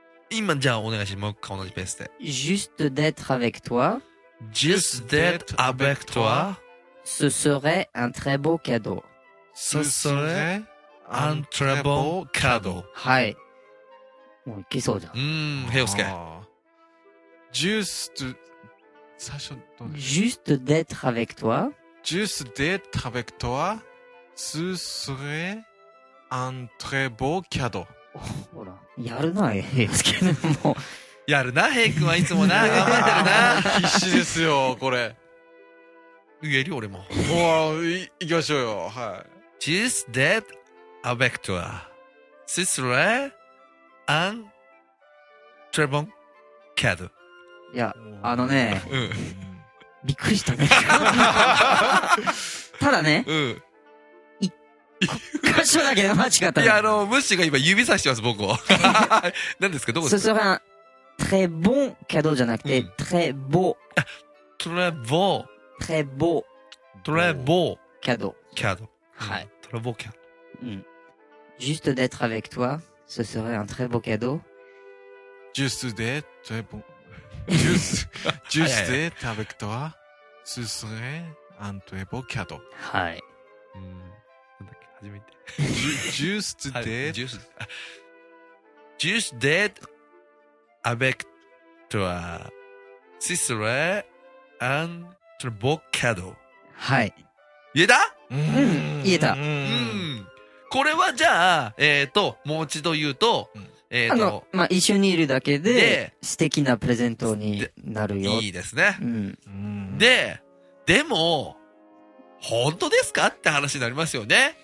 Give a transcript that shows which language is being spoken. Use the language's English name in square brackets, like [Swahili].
[Japanese] 今じゃあお願いします。もう一回同じペースで。 [French] Juste d'être avec toi. Juste d'être avec toi. Ce serait un très beau cadeau. Ce serait un très beau cadeau. [Japanese] はい。もういけそうじゃん。ヘヨスケ。 Just 最初ど [French] う。Just d'être avec toi。 Just d'être avec toi。 Ce serait un très beau cadeau。 [Japanese] ほら、やるなヘヨスケ。もうやるなヘイ君はいつもな。頑張ってるな。必死ですよこれ。言えるよ俺も。わあ、行きましょうよ。はい。 [French] Just d'être avec toi。 Ce serait un très bon cadeau。 [Japanese] いやあのね、びっくりしたね。ただね、一箇所だけ間違った。いやあのムッシュが今指さしてます僕を。何ですか、どこですか。 [French] ce sera un très bon cadeau [Japanese] じゃなくて、 [French] très beau。 très beau。 très beau。 très beau cadeau。 cadeau。 [Japanese] はい。 [French] très beau cadeau。 juste d'être avec toi。 Ce serait un très beau cadeau. Juste d'être très bon. Juste d'être avec toi. Ce serait un très beau cadeau. [Japanese] はい。初めて。 [French] Juste d'être. Juste d'être avec toi. Ce serait un très beau cadeau. [Japanese] はい。言えた？言えた。これはじゃあ、もう一度言うと、まあ、一緒にいるだけで、素敵なプレゼントになるよ。いいですね。うん、で、でも、本当ですかって話になりますよね。